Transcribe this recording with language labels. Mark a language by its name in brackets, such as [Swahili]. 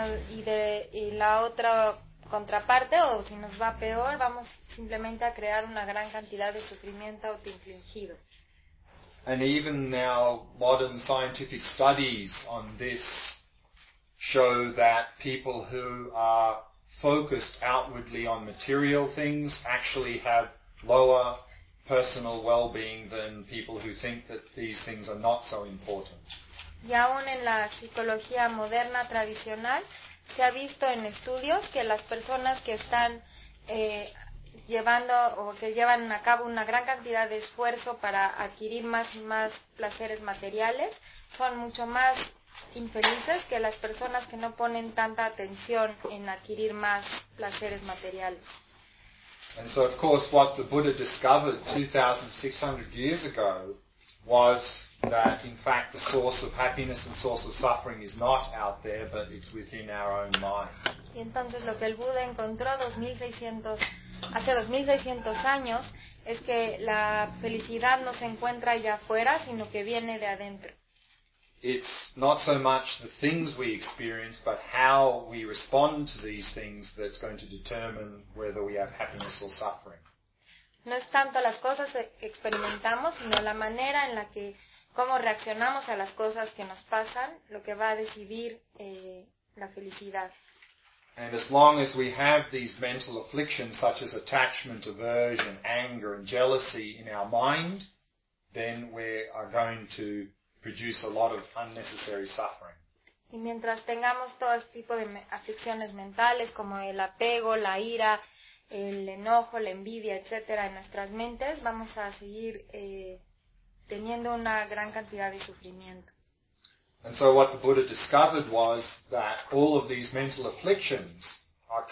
[Spanish] Y la otra contraparte, o si nos va peor, vamos simplemente a crear una gran cantidad de sufrimiento autoinfligido. [English] And even now, modern scientific studies on this show that people who are focused outwardly on material things actually have lower personal well-being than people who think that these things are not so important. [Spanish] Y aún en la psicología moderna tradicional, se ha visto en estudios que las personas que están llevando o que llevan a cabo una gran cantidad de esfuerzo para adquirir más y más placeres materiales son mucho más infelices que las personas que no ponen tanta atención en adquirir más placeres materiales. [English] And so of course what the Buddha discovered 2600 years ago was that in fact the source of happiness and source of suffering is not out there but it's within our own mind. [Spanish] Y entonces lo que el Buda encontró hace 2600 años es que la felicidad no se encuentra allá afuera sino que viene de adentro. [English] It's not so much the things we experience but how we respond to these things that's going to determine whether we have happiness or suffering. [Spanish] No es tanto las cosas que experimentamos sino la manera en la que cómo reaccionamos a las cosas que nos pasan lo que va a decidir la felicidad. [English] And as long as we have these mental afflictions such as attachment, aversion, anger and jealousy in our mind, then we are going to produce a lot of unnecessary suffering. [Spanish] Y mientras tengamos todo este tipo de aflicciones mentales como el apego, la ira, el enojo, la envidia, etcétera, en nuestras mentes, vamos a seguir teniendo una gran cantidad de sufrimiento. [English] And so what the Buddha discovered was that all of these mental afflictions are